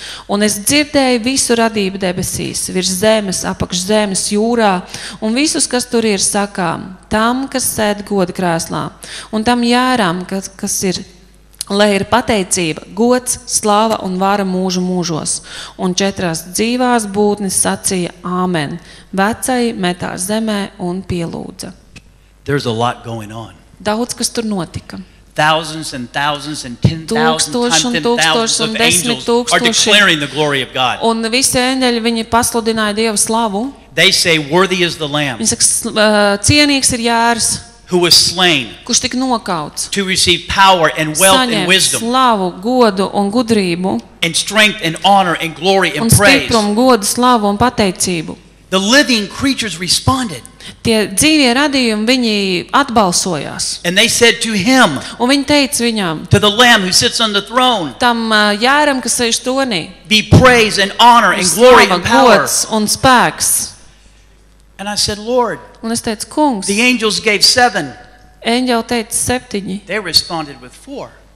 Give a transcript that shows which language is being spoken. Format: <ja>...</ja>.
<lv>Un es dzirdēju visu radību debesīs, virs zemes, apakš zemes, jūrā, un visus, kas tur ir, sakām, tam, kas sēd goda krēslā, un tam jērām, kas ir lai ir pateicība, gods, slava un vara mūžu mūžos. Un 4 dzīvās būtnes sacīja āmen. Vecai metās zemē un pielūdza.</lv> <en>There's a lot going on.</en> <lv>Daudz, kas tur notika.</lv> <en>Thousands and thousands and 10,000 times 10,000 are declaring the glory of God.</en> <lv>Un visi eņģeļi, viņi pasludināja Dievu slavu.</lv> <en>They say, worthy is the lamb.</en> <lv>Viņi saka, cienīgs ir jērs.</lv> <en>Who was slain?</en> <lv>Kurš tik nokauts?</lv> <en>To receive power and wealth and wisdom.</en> <lv>Slavu, godu un gudrību.</lv> <en>And strength and honor and glory and praise.</en> <lv>Un stiprumu, godu, slavu un pateicību.</lv> <en>The living creatures responded.</en> <lv>Tie dzīvie radījumi, viņi atbalsojās.</lv> <en>And they said to him.</en> <lv>Un viņi teica viņam.</lv> <en>To the lamb who sits on the throne.</en> <lv>Tam jēram, kas sēž tronī.</lv> <en>Be praise and honor and glory and power.</en> <lv>Slava, gods un spēks.</lv> <en>And I said, Lord.</en> <lv>Un es teicu, Kungs.</lv> <en>The angels gave 7.</en> <lv>Eņģeli teica 7.</lv> <en>They responded with 4.</en>